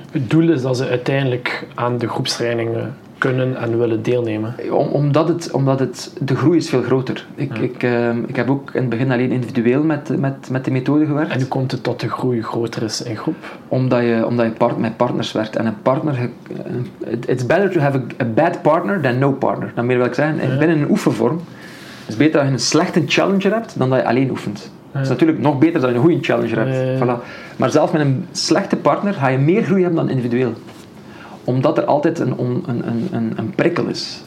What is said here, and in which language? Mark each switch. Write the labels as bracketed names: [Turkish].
[Dutch] Het doel is dat ze uiteindelijk aan de groepstrainingen kunnen en willen deelnemen. Omdat het de groei is veel groter. Ik heb ook in het begin alleen individueel met de methode gewerkt. En hoe komt het dat de groei groter is in groep? Omdat je met partners werkt. En een partner... [English] It's better to have a bad partner than no partner. [Dutch] Dan meer wil ik zeggen. Ja. Binnen een oefenvorm. Het is beter dat je een slechte challenger hebt dan dat je alleen oefent. Het is natuurlijk nog beter dat je een goede challenger hebt. Voilà. Maar zelf met een slechte partner ga je meer groei hebben dan individueel. Omdat er altijd een prikkel is.